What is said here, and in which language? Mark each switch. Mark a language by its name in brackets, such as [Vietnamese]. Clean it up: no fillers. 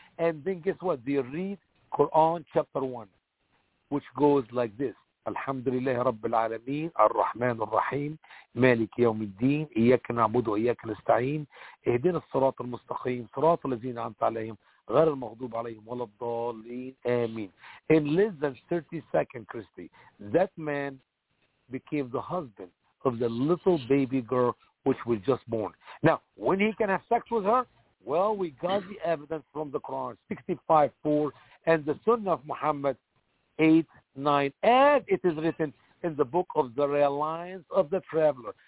[English] And then guess what? They read Quran chapter 1, which goes like this. [Arabic] الحمد لله رب العالمين الرحمن الرحيم مالك يوم الدين إياك نعبد وإياك نستعين اهدنا الصراط المستقيم صراط الذين أنعمت عليهم غير المغضوب عليهم ولا الضالين آمين. [English] In less than 30 seconds, Christy, that man became the husband of the little baby girl which was just born. Now, when he can have sex with her, well, we got the evidence from the Quran 65:4 and the Sunnah of Muhammad 8:9, as it is written in the book of the Reliance of the Traveler.